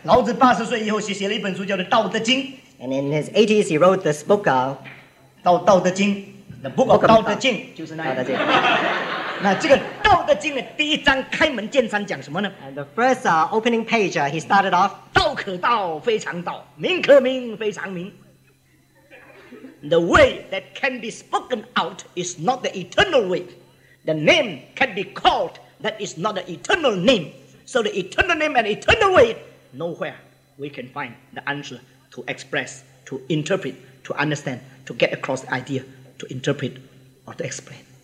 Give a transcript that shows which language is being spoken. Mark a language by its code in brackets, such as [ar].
[en] And in his 80s, he wrote this book, Dao De Jing. And the first opening page, he started off, [zh] 道可道非常道，名可名非常名。 [en] The way that can be spoken out is not the eternal way. The name can be called that is not the eternal name. So the eternal name and eternal way, nowhere we can find the answer to express, to interpret, to understand, to get across the idea, to interpret or to explain.